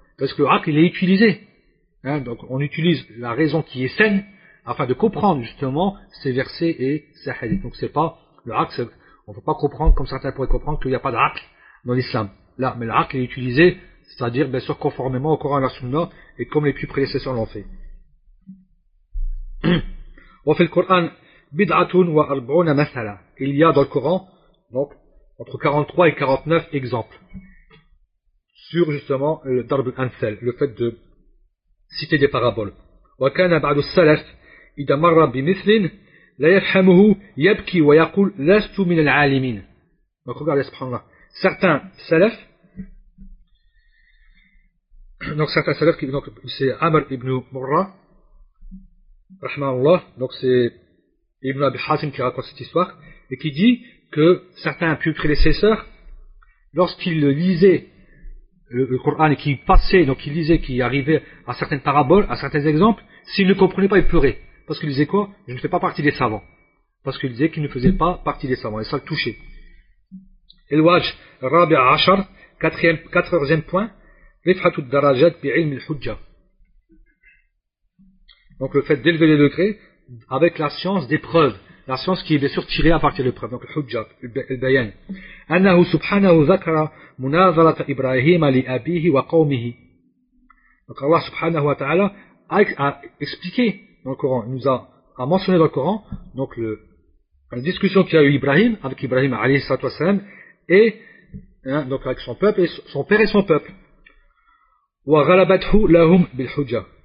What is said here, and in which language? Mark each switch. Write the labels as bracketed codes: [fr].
[fr] Parce que le aql, il est utilisé. Hein, donc on utilise la raison qui est saine afin de comprendre justement ces versets et ces hadiths. Donc c'est pas le aql, on peut pas comprendre comme certains pourraient comprendre qu'il n'y a pas de aql dans l'islam. Là, mais le aql est utilisé, c'est-à-dire bien sûr conformément au Coran et la Sunna et comme les plus prédécesseurs l'ont fait. [ar] وفي القرآن بضعة وأربعون مثلا. [fr] Il y a dans le Coran donc entre 43 et 49 exemples sur justement le darb al-amthal, le fait de citer des paraboles. [ar] وكان بعض السلف إذا مر بمثل لا يفهمه يبكي ويقول لست من العالمين. [fr] Donc regardez, subhanallah. Certains salaf, donc c'est Amr ibn Murra, rahmanallah, donc c'est Ibn Abi Hatim qui raconte cette histoire, et qui dit que certains plus prédécesseurs, lorsqu'ils lisaient le Coran et qu'ils passaient, donc ils lisaient, qu'ils arrivaient à certaines paraboles, à certains exemples, s'ils ne comprenaient pas, ils pleuraient. Parce qu'ils disaient quoi? Je ne fais pas partie des savants. Parce qu'ils disaient qu'ils ne faisaient pas partie des savants, et ça le touchait. [ar] الواج الرابع عشر [fr] quatrième point [ar] رفعة الدرجات بعلم الحجة. [fr] Donc le fait d'élever les degrés avec la science des preuves, la science qui est bien sûr tirée à partir des preuves. Donc [ar] الحجة البيان. أنه سبحانه ذكر مناظرة إبراهيم لأبيه وقومه. [fr] Donc Allah سبحانه وتعالى a expliqué dans le Coran, a mentionné dans le Coran donc la discussion qu'a eu Ibrahim avec Ibrahim [ar] عليه الصلاة والسلام [fr] et hein, donc avec son peuple et son père et son peuple. [ar] Wa ghalabathu lahum bil hujja.